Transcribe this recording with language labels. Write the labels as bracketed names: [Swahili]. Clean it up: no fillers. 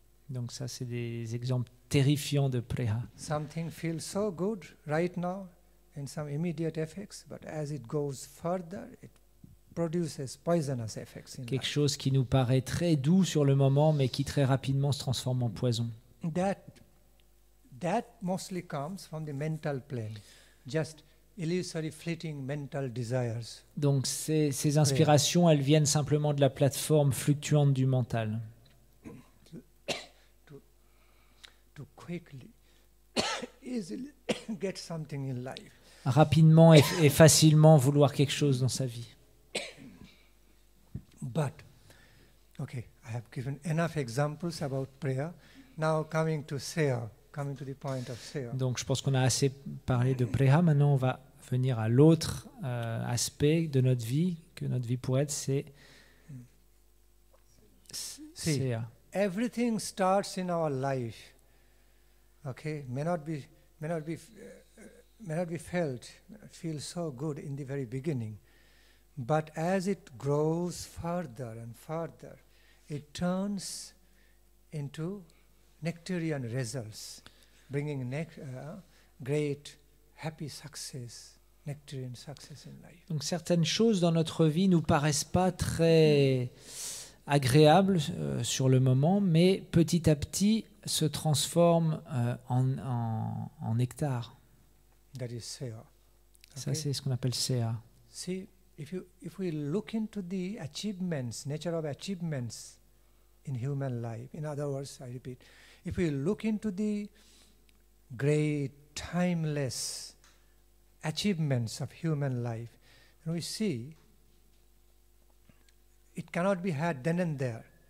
[French] Donc ça, c'est des exemples terrifiants de preha. [English] Something feels so good right now, in some immediate effects, but as it goes further, it produces poisonous effects. [French] Quelque chose qui nous paraît très doux sur le moment, mais qui très rapidement se transforme en poison. [English] That mostly comes from the mental plane, just illusory, fleeting mental desires. [French] Donc ces inspirations, elles viennent simplement de la plateforme fluctuante du mental. [English] To quickly, easily get something in life. [French] Rapidement et facilement vouloir quelque chose dans sa vie. [English] But, okay, I have given enough examples about prayer. Now coming to seya, coming to the point of seya. [French] Donc je pense qu'on a assez parlé de prayer. Maintenant on va venir à l'autre aspect de notre vie, que notre vie pourrait être, c'est seya. [English] Everything starts in our life, okay, may not be felt so good in the very beginning. But as it grows further and further, it turns into nectarian results, bringing great happy success, nectarian success in life. [French] Donc certaines choses dans notre vie nous paraissent pas très agréables sur le moment, mais petit à petit se transforment en nectar. [English] That is seya. [French] Ça, okay? C'est ce qu'on appelle seya. [English] See? If we look into the achievements, nature of achievements in human life, in other words, I repeat, if we look into the great, timeless achievements of human life, then we see it cannot be had then and there.